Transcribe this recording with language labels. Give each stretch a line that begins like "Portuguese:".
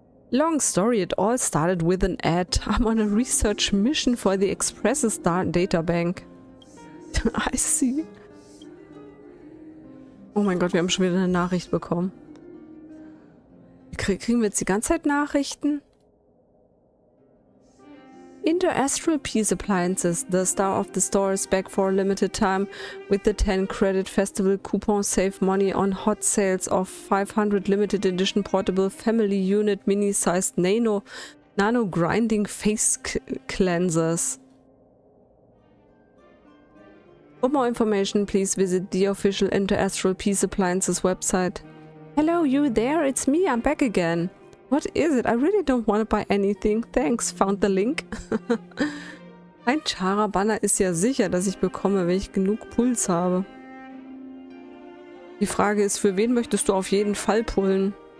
English: Long story, it all started with an ad. I'm on a research mission for the Express's data bank. I see.
German: Oh mein Gott, wir haben schon wieder eine Nachricht bekommen. Kriegen wir jetzt die ganze Zeit Nachrichten?
English: Inter-Astral Peace Appliances. The star of the store is back for a limited time with the 10 credit festival coupon save money on hot sales of 500 limited edition portable family unit mini-sized nano grinding face cleansers. For more information, please visit the official Interastral Peace Appliances website. Hello, you there? It's me. I'm back again. What is it? I really don't want to buy anything. Thanks. Found the link.
German: Mein Chara-Banner ist ja sicher, dass ich bekomme, wenn ich genug Puls habe. Die Frage ist, für wen möchtest du auf jeden Fall pullen?